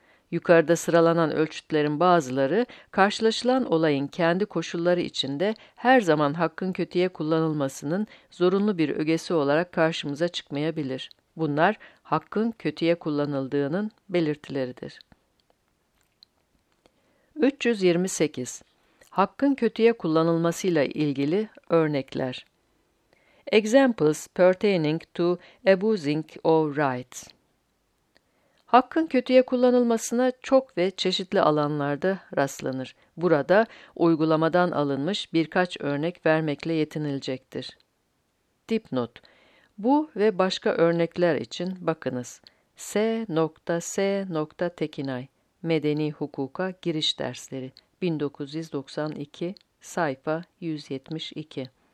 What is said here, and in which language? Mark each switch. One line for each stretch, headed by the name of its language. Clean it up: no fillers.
Turkish: Yukarıda sıralanan ölçütlerin bazıları, karşılaşılan olayın kendi koşulları içinde her zaman hakkın kötüye kullanılmasının zorunlu bir ögesi olarak karşımıza çıkmayabilir. Bunlar hakkın kötüye kullanıldığının belirtileridir. 328. Hakkın kötüye kullanılmasıyla ilgili örnekler.
English: Examples pertaining to abusing of rights.
Turkish: Hakkın kötüye kullanılmasına çok ve çeşitli alanlarda rastlanır. Burada uygulamadan alınmış birkaç örnek vermekle yetinilecektir. Dipnot. Bu ve başka örnekler için bakınız. S.S. Tekinay. Medeni Hukuka Giriş Dersleri 1992 sayfa 172.